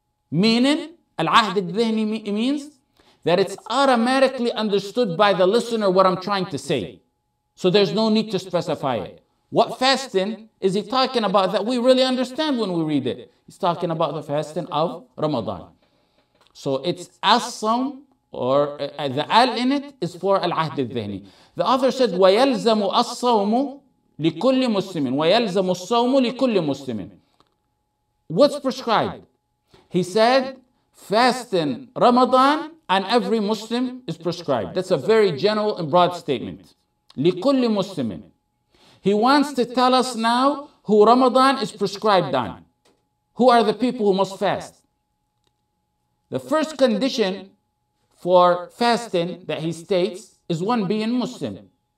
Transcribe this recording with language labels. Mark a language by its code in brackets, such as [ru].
[en] Meaning, al-ahd al-dhihni means that it's automatically understood by the listener what I'm trying to say. So there's no need to specify it. What fasting is he talking about that we really understand when we read it? He's talking about the fasting of Ramadan. So it's as-sawm, or the al in it is for al-ahd al-dhihni. The author said, [ar] وَيَلْزَمُ أَصَّوْمُ لكل مسلم ويلزم الصوم لكل مسلم. [en] What's prescribed? He said, fasting Ramadan on every Muslim is prescribed. That's a very general and broad statement. [ar] لكل مسلم. [en] He wants to tell us now who Ramadan is prescribed on. Who are the people who must fast? The first condition for fasting that he states is one being Muslim.